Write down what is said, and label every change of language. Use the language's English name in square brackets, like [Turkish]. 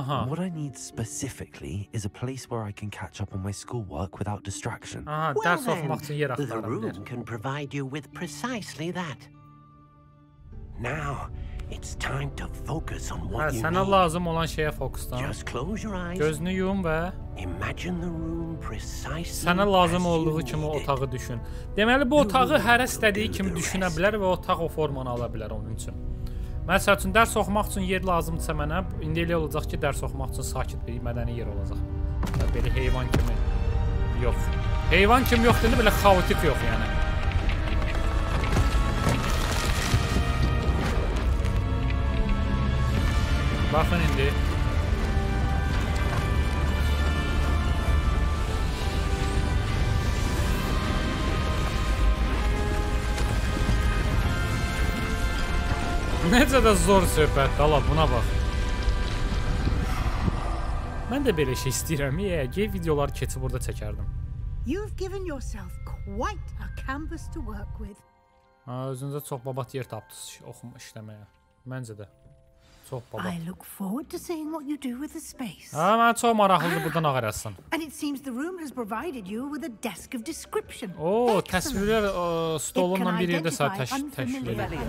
[English] What I need specifically is a place where I can catch up on my schoolwork without distraction. The room can provide you with precisely that. Now, it's time to focus on what you [Azerbaijani] need. Sənə lazım olan şeyə fokuslan. [English] Just close your eyes. [Azerbaijani] Gözünü yum və [English] imagine the room precisely. [Azerbaijani] Sənə lazım olduğu kimi otağı düşün. Deməli bu otağı hər istədiyi kimi düşünə bilər və otaq o formanı ala bilər onun üçün. Məsəl üçün dərs oxumaq üçün yer lazımdırsa mənə, indi elə olacaq ki, dərs oxumaq üçün sakit bir mədəni yer olacaq. Belə heyvan kimi yox. Heyvan kimi yox deyəndə belə xaotik yox yəni. Baxın indi. Necə də zor söhbətdir, ala buna bax. Mən də belə şey istəyirəm, gey videoları keçib burada çəkərdim. Özünüzə çox babat yer tapdınız oxuma işləməyə. Məncə də. Çox babat. [English] I look forward to seeing what you do with the space. [Azerbaijani] Mən çox maraqlıdır burada nə qərəsən. [English] And it seems the room has provided you with a desk of description. [Azerbaijani] Oo, təsvirlər stolunla bir yerdə təşkil edir.